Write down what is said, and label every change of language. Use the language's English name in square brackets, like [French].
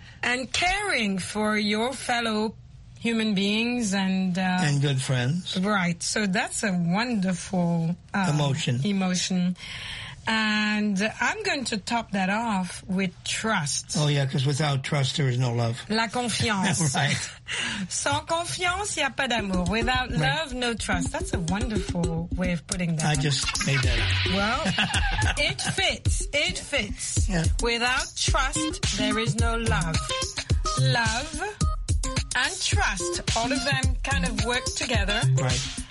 [English] And caring for your fellow human beings and... And good friends. Right. So that's a wonderful... Emotion. Emotion. And I'm going to top that off with trust. Oh, yeah, because without trust, there is no love. [French] La confiance. [English] right. [French] Sans confiance, il n'y a pas d'amour. [English] Without right. love, no trust. That's a wonderful way of putting that. I just made that up. Well, it fits. It fits. Yeah. Without trust, there is no love. Love and trust, all of them kind of work together. Right.